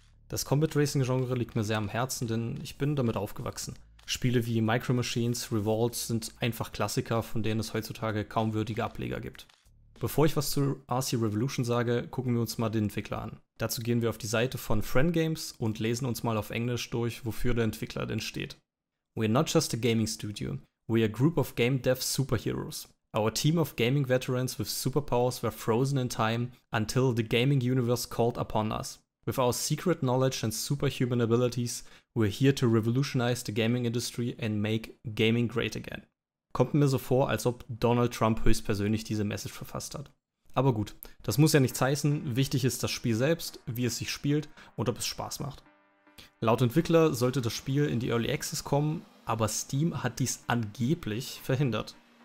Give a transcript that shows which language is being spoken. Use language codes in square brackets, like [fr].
[de] Das Combat Racing Genre liegt mir sehr am Herzen, denn ich bin damit aufgewachsen. Spiele wie Micro Machines, Revolt sind einfach Klassiker, von denen es heutzutage kaum würdige Ableger gibt. Bevor ich was zu RC Revolution sage, gucken wir uns mal den Entwickler an. Dazu gehen wir auf die Seite von Friend Games und lesen uns mal auf Englisch durch, wofür der Entwickler denn steht. [en] We're not just a gaming studio. We're a group of game dev superheroes. Our team of gaming veterans with superpowers were frozen in time until the gaming universe called upon us. With our secret knowledge and superhuman abilities, we're here to revolutionize the gaming industry and make gaming great again. [de] Kommt mir so vor, als ob Donald Trump höchstpersönlich diese Message verfasst hat. Aber gut, das muss ja nichts heißen, wichtig ist das Spiel selbst, wie es sich spielt und ob es Spaß macht. Laut Entwickler sollte das Spiel in die Early Access kommen, aber Steam hat dies angeblich verhindert.